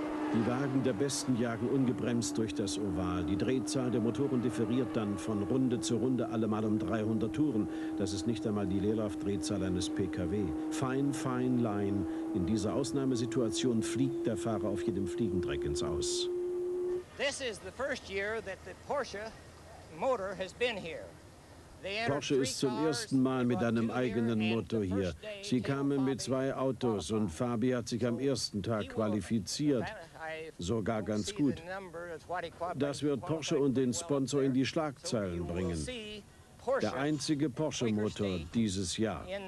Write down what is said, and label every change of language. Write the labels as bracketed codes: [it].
[de] Die Wagen der Besten jagen ungebremst durch das Oval. Die Drehzahl der Motoren differiert dann von Runde zu Runde allemal um 300 Touren. Das ist nicht einmal die Leerlaufdrehzahl eines PKW. Fein, fein, line. In dieser Ausnahmesituation fliegt der Fahrer auf jedem Fliegendreck ins Aus. [en] This is the first year that the Porsche motor has been here. [de] Porsche ist zum ersten Mal mit einem eigenen Motor hier. Sie kamen mit zwei Autos und Fabi hat sich am ersten Tag qualifiziert. Sogar ganz gut. Das wird Porsche und den Sponsor in die Schlagzeilen bringen. Der einzige Porsche-Motor dieses Jahr.